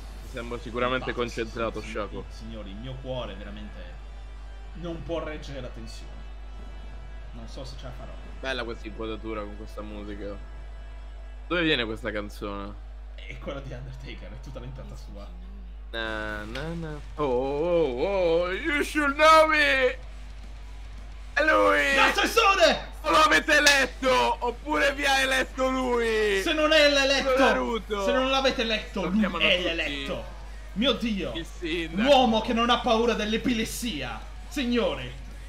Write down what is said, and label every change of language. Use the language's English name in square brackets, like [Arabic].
[Italian] Sembra sicuramente concentrato, Shaco. Signori, il mio cuore veramente non può reggere la tensione. Non so se ce la farò. Bella questa inquadratura con questa musica. Dove viene questa canzone? È quella di Undertaker, è tutta l'entrata sua. Na na na. [English] Oh, oh, oh, you should know me! [Italian] È lui! L'assessore! O lo avete eletto, oppure vi ha eletto lui! Se non è l'eletto, se non l'avete avete letto? Lui è l'eletto. Mio Dio. L'uomo che non ha paura dell'epilessia. Signore.